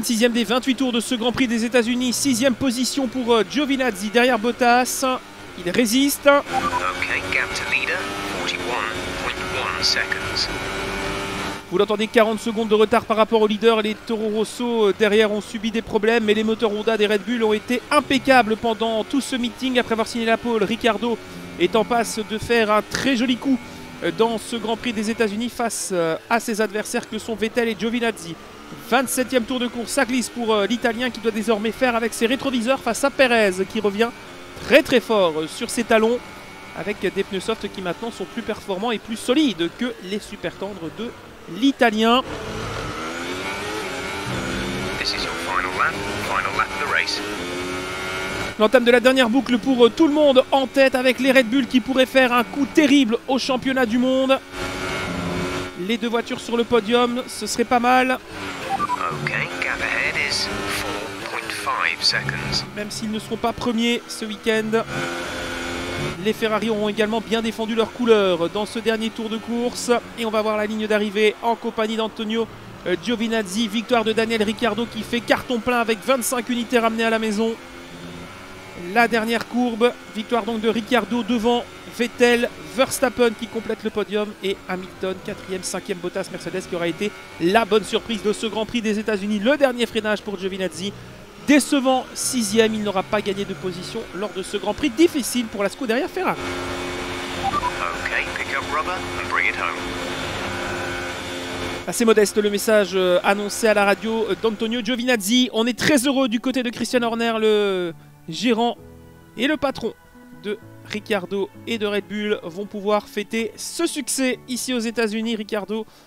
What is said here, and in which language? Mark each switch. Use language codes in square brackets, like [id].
[fr] Des 28 tours de ce Grand Prix des États-Unis, 6e position pour Giovinazzi derrière Bottas, il résiste. [en] Okay, gap to leader, 41.1 seconds. [fr] Vous l'entendez, 40 secondes de retard par rapport au leader. Les Toro Rosso derrière ont subi des problèmes, mais les moteurs Honda des Red Bull ont été impeccables pendant tout ce meeting. Après avoir signé la pole, Ricciardo est en passe de faire un très joli coup dans ce Grand Prix des États-Unis face à ses adversaires que sont Vettel et Giovinazzi. 27e tour de course, ça glisse pour l'Italien qui doit désormais faire avec ses rétroviseurs face à Perez qui revient très très fort sur ses talons. Avec des pneus soft qui maintenant sont plus performants et plus solides que les super tendres de l'Italien. [en] This is your final lap of the race. [fr] L'entame de la dernière boucle pour tout le monde en tête avec les Red Bull qui pourraient faire un coup terrible au championnat du monde. Les deux voitures sur le podium, ce serait pas mal. [en] Okay, gap ahead is 4.5 seconds. [fr] Même s'ils ne seront pas premiers ce week-end. Les Ferrari auront également bien défendu leurs couleurs dans ce dernier tour de course. Et on va voir la ligne d'arrivée en compagnie d'Antonio Giovinazzi. Victoire de Daniel Ricciardo qui fait carton plein avec 25 unités ramenées à la maison. La dernière courbe, victoire donc de Ricciardo devant Vettel, Verstappen qui complète le podium et Hamilton, 4e, 5e Bottas Mercedes qui aura été la bonne surprise de ce Grand Prix des États-Unis. Le dernier freinage pour Giovinazzi. Décevant 6e, il n'aura pas gagné de position lors de ce Grand Prix difficile pour la Scuderia Ferrari. [en] Okay, pick up rubber and bring it home. [fr] Assez modeste le message annoncé à la radio d'Antonio Giovinazzi. On est très heureux du côté de Christian Horner, le gérant et le patron de Ricciardo et de Red Bull vont pouvoir fêter ce succès ici aux États-Unis. Ricciardo,